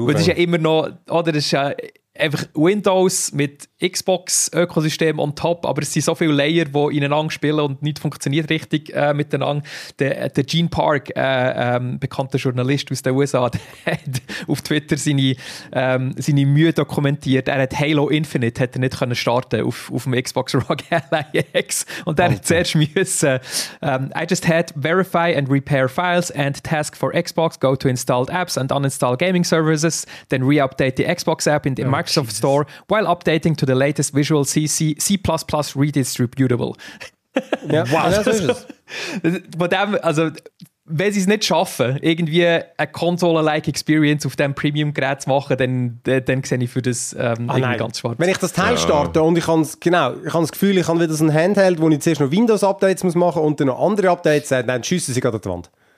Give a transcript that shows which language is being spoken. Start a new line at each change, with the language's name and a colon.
German: Und das ist ja immer noch, oder das ist ja einfach Windows mit Xbox-Ökosystem on top, aber es sind so viele Layer, die ineinander spielen und nicht funktioniert richtig miteinander. Der Gene Park, bekannter Journalist aus den USA, hat auf Twitter seine Mühe dokumentiert. Er hat Halo Infinite hat er nicht können starten auf dem Xbox ROG Ally X. Und er hat zuerst müssen.
English: I just had verify and repair files and task for Xbox, go to installed apps and uninstall gaming services, then re-update the Xbox app in the Microsoft Store while updating to the latest Visual C++ redistributable.
German: Ja. Wow. Ja, so ist es. Also, wenn sie es nicht schaffen, irgendwie eine Konsole-like Experience auf dem Premium-Gerät zu machen, dann sehe ich für das ganz schwarz. Wenn ich das Teil starte und ich habe das Gefühl, ich habe wieder so ein Handheld, wo ich zuerst noch Windows-Updates muss machen und dann noch andere Updates, dann schiessen sie gerade an die Wand.